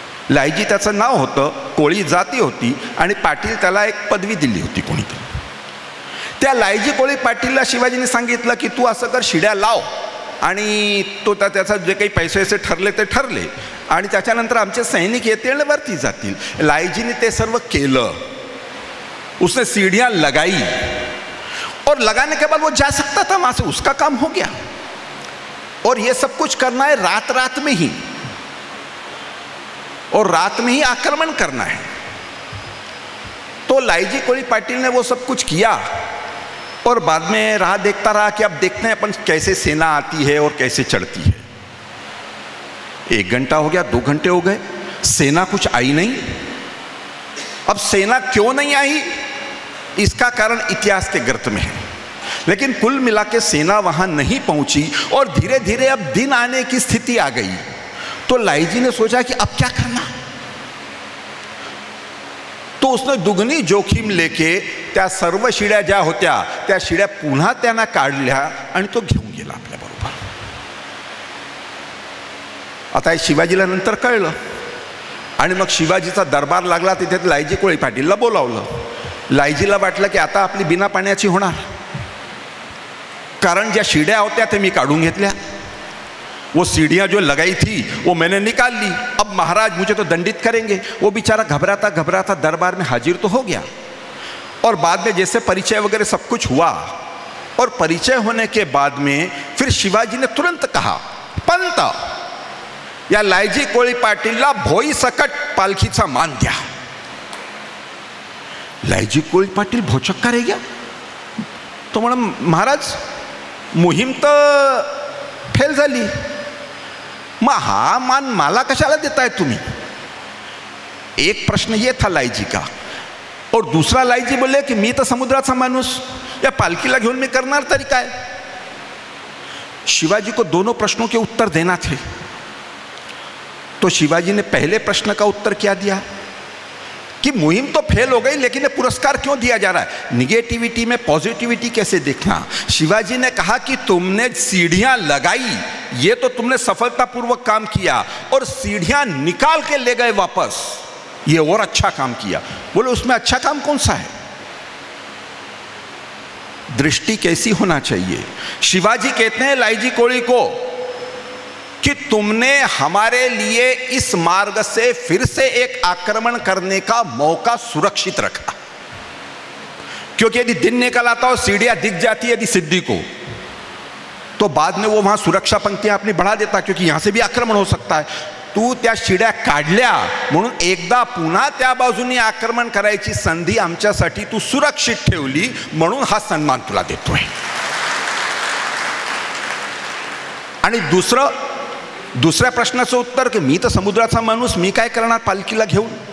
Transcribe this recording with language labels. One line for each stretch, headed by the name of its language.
Marathi: लायजी त्याचं नाव होतं, कोळी जाती होती, आणि पाटील त्याला एक पदवी दिली होती कोणीतरी। त्या लायजी कोळी पाटीलला शिवाजीने सांगितलं की तू असं कर, शिड्या लाव, आणि तो त्याचा जे काही पैसे असे ठरले ते ठरले, आणि त्याच्यानंतर आमचे सैनिक येतील आणि वरती जातील। लायजीने ते सर्व केलं,
Hindi: उसने सीढ़ियां लगाई, और लगाने के बाद वो जा सकता था वहां से, उसका काम हो गया। और ये सब कुछ करना है रात रात में ही, और रात में ही आक्रमण करना है। तो लाईजी कोळी पाटील ने वो सब कुछ किया, और बाद में राह देखता रहा कि अब देखते हैं अपन कैसे सेना आती है और कैसे चढ़ती है। एक घंटा हो गया, दो घंटे हो गए, सेना कुछ आई नहीं। अब सेना क्यों नहीं आई, इसका कारण इतिहास के गर्त में है, लेकिन कुल मिला के सेना वहां नहीं पहुंची। और धीरे धीरे अब दिन आने की स्थिति आ गई, तो लाईजी ने सोचा कि अब क्या करना। तो उसने दुगनी जोखिम लेके
Marathi: त्या सर्व शिड्या ज्या होत्या त्या शिड्या पुन्हा त्यांना काढल्या आणि तो घेऊन गेला आपल्या बरोबर। आता हे शिवाजीला नंतर कळलं आणि मग शिवाजीचा दरबार लागला तिथे लायजी कोळी पाटीलला बोलावलं. लायजीला वाटलं की आता आपली बिना पाण्याची होणार, कारण ज्या शिड्या होत्या ते मी काढून घेतल्या,
Hindi: वो सीढ़ियाँ जो लगाई थी वो मैंने निकाल ली, अब महाराज मुझे तो दंडित करेंगे. वो बेचारा घबराता घबराता दरबार में हाजिर तो हो गया. और बाद में जैसे परिचय वगैरह सब कुछ हुआ और परिचय होने के बाद में फिर शिवाजी ने तुरंत कहा,
Marathi: पंत या लायजी कोळी पाटीलला भोई सकट पालखीचा मान द्या.
Hindi: लायजी कोळी पाटील भोचक्का रे गया.
Marathi: तो म्हणा, महाराज मोहीम तर फेल झाली, मग हा मान मला कशाला देताय तुम्ही? एक प्रश्न येत हा लायजी का. और दुसरा लायजी बोलले की मी तर समुद्राचा माणूस, या पालखीला घेऊन मी करणार तरी काय?
Hindi: शिवाजी को दोनों प्रश्नों के उत्तर देना थे. तो शिवाजी ने पहले प्रश्न का उत्तर क्या दिया कि मुहिम तो फेल हो गई लेकिन ये पुरस्कार क्यों दिया जा रहा है? निगेटिविटी में पॉजिटिविटी कैसे देखना? शिवाजी ने कहा कि तुमने सीढ़ियां लगाई, ये तो तुमने सफलतापूर्वक काम किया, और सीढ़ियां निकाल के ले गए वापस, ये और अच्छा काम किया. बोले, उसमें अच्छा काम कौन सा है? दृष्टि कैसी होना चाहिए? शिवाजी कहते हैं लायजी कोळी को कि तुमने हमारे लिए इस मार्ग से फिर से एक आक्रमण करने का मौका सुरक्षित रखा, क्योंकि यदि दिन निकल आता और सीढ़ियां दिख जाती यदि सिद्धि को, तो बाद में वो वहां सुरक्षा पंक्तियां अपनी बढ़ा देता, क्योंकि यहां से भी आक्रमण हो सकता है.
Marathi: तू त्या शिड्या काढल्या म्हणून एकदा पुन्हा त्या बाजूने आक्रमण करायची संधी आमच्यासाठी तू सुरक्षित ठेवली, म्हणून हा सन्मान तुला देतोय. आणि दुसऱ्या प्रश्नाचं उत्तर की मी तर समुद्राचा माणूस, मी काय करणार पालखीला घेऊन?